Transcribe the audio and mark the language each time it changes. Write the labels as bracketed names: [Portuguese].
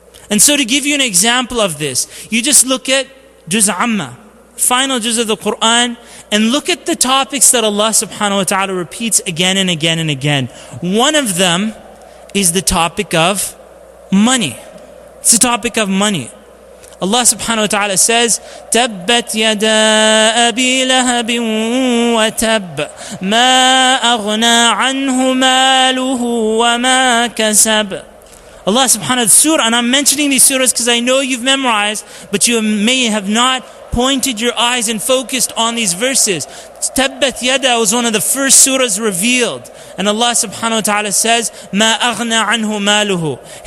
[English] And so to give you an example of this, you just look at Juz Amma, final Juz of the Qur'an, and look at the topics that Allah subhanahu wa ta'ala repeats again and again and again. One of them is the topic of money. It's the topic of money. Allah subhanahu wa ta'ala says, [Arabic] تَبَّتْ يَدَا أَبِي لَهَبٍ وَتَبْ مَا أَغْنَى عَنْهُ مَالُهُ وَمَا كَسَبْ. [English] Allah subhanahu wa ta'ala, surah, and I'm mentioning these surahs because I know you've memorized, but you may have not pointed your eyes and focused on these verses. [Arabic] تَبَّتْ يَدَا [English] was one of the first surahs revealed. And Allah subhanahu wa ta'ala says, [Arabic] مَا أَغْنَى عَنْهُ مَالُهُ.